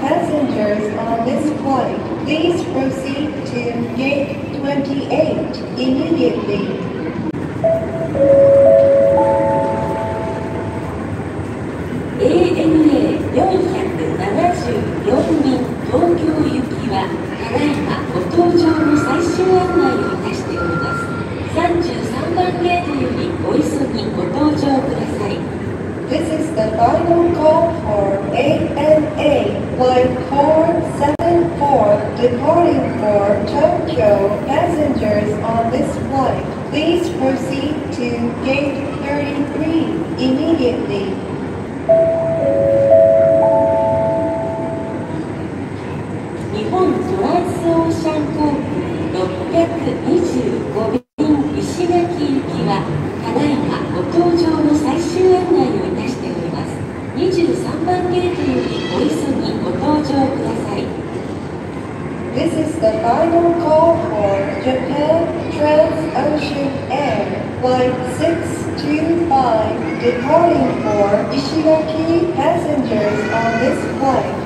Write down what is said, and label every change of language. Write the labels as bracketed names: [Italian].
[English] Passengers on this flight, please proceed to gate 28 immediately. [Japanese] ANA 474便東京行きはただいまご搭乗の最終案内をいたしております。 33番ゲートよりお急ぎご搭乗ください。 [English] This is the final call for ANA Flight 474 departing for Tokyo. Passengers on this flight, please proceed to gate 33 immediately. [Japanese] Nippon Trans Ocean Kong 625便石垣行きはただいまご搭乗の最終案内をいたしております。 23番ゲートよりお急ぎご搭乗ください。 [English] This is the final call for Japan Trans Ocean Air Flight 625 departing for 石垣 passengers on this flight.